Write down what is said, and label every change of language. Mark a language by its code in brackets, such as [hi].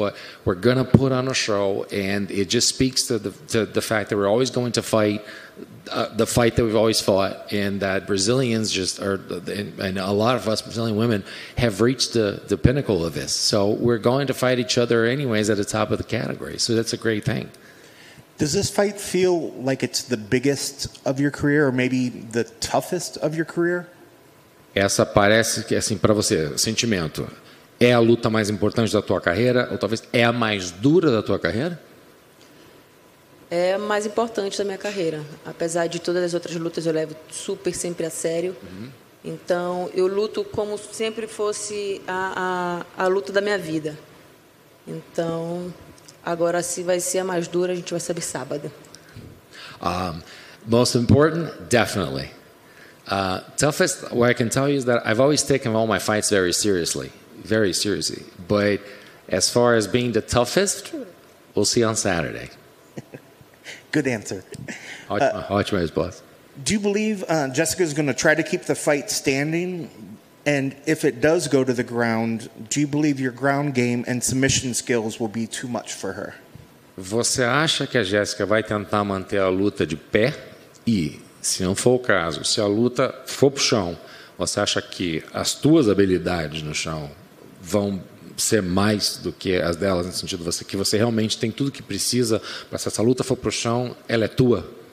[en] But we're going to put on a show, and it just speaks to the fact that we're always going to fight the fight that we've always fought, and that Brazilians just are, and a lot of us Brazilian women have reached the pinnacle of this. So we're going to fight each other anyways at the top of the category. So that's a great thing. Does this fight feel like it's the biggest of your career, or maybe the toughest of your career? [pt] Essa parece que, assim, para você, sentimento, é a luta mais importante da tua carreira, ou talvez é a mais dura da tua carreira? É a mais importante da minha carreira. Apesar de todas as outras lutas, eu levo super sempre a sério. Uhum. Então, eu luto como sempre fosse a luta da minha vida. Então, agora, se vai ser a mais dura, a gente vai saber sábado. [en] Most important, definitely. Toughest, what I can tell you is that I've always taken all my fights very seriously. Very seriously. But as far as being the toughest, we'll see on Saturday. Good answer. [pt] Ótimo resposta. [en] Do you believe Jessica is going to try to keep the fight standing? And if it does go to the ground, do you believe your ground game and submission skills will be too much for her? [pt] Você acha que a Jessica vai tentar manter a luta de pé? E se não for o caso, se a luta for pro chão, você acha que as tuas habilidades no chão vão ser mais do que as delas, no sentido você, que você realmente tem tudo que precisa para, se essa luta for pro chão, ela é tua?